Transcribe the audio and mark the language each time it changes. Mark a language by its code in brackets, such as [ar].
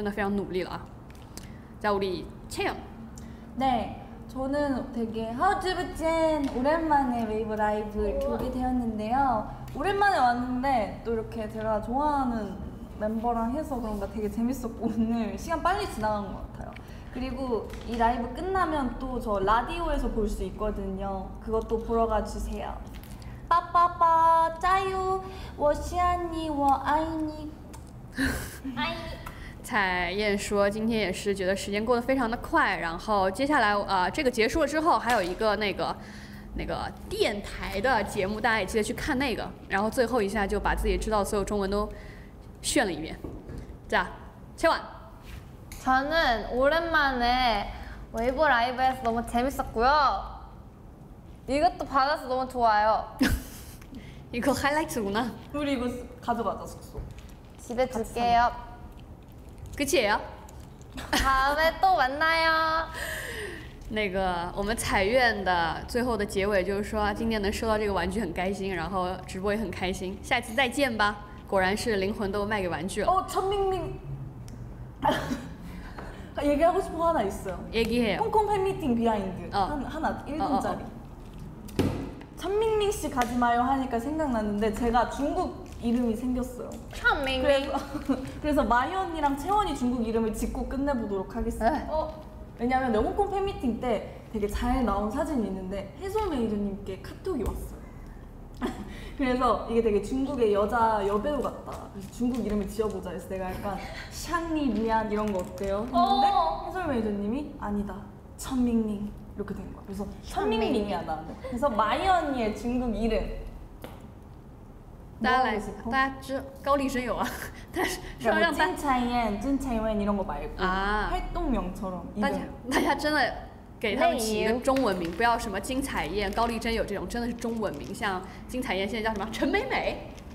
[zh] 真有说他就是第一次来做微博直播觉得很有意思所以时间过得还挺快的然后下一次会再多学点中文来跟大家进行互动的今天在那个美容师做发型做妆造的时候也一直在练习自我介绍真的非常努力了 [ko] 자 우리 채영 네 저는 되게 허즈부진 오랜만에 웨이브 라이브 보게 되었는데요 오랜만에 왔는데 또 이렇게 제가 좋아하는 멤버랑 해서 그런가 되게 재밌었고 오늘 시간 빨리 지나간 것 같아요 그리고 이 라이브 끝나면 또 저 라디오에서 볼 수 있거든요 그것도 보러 가주세요 빠빠빠 [zh] 짜유 워시아니 워아이니 [ko] 아이 [zh] 彩燕说今天也是觉得时间过得非常的快然后接下来这个结束了之后还有一个那个 那个电台的节目大家也记得去看那个然后最后一下就把自己知道所有中文都 炫了一遍 [ko] 자, 채완 저는 오랜만에 웨이브 라이브에서 너무 재밌었고요 이것도 받아서 너무 좋아요 이거 하이라이트구나 우리 이거 가져가졌었어 집에 둘게요 끝이에요 다음에 또 만나요 [zh] 那个我们彩苑的最后的结尾就是说今天能收到这个玩具很开心然后直播也很开心下次再见吧 果然是灵魂都卖给玩具了 [ko] 어, 천민님 얘기하고 싶은 거 하나 있어요 얘기해요 홍콩 팬미팅 비하인드 하나, 1분짜리 천민님 씨 가지 마요 하니까 생각났는데 제가 중국 이름이 생겼어요 천민님 그래서 마이언이랑 채원이 중국 이름을 짓고 끝내보도록 하겠습니다 어. 왜냐면 내 홍콩 팬미팅 때 되게 잘 나온 사진이 있는데 해소 메이드님께 카톡이 왔어요 그래서 이게 되게 중국의 여자 여배우 같다 그래서 중국 이름을 지어보자 해서 내가 약간 샹니 미안 이런 거 어때요? 근데 해설 매니저님이 아니다 천밍밍 이렇게 된 거야 그래서 천밍밍이야 나한테 그래서 마이언니의 중국 이름 [zh] 大家来，大家知高丽参有啊，但是说让大家金钱宴、金钱宴 [ko] 이런거말고 [zh] 啊， [ko] 활동명처럼 [zh] 大家真的给他们起一个中文名，不要什么金彩宴、高丽参有这种，真的是中文名，像金彩宴现在叫什么陈美美，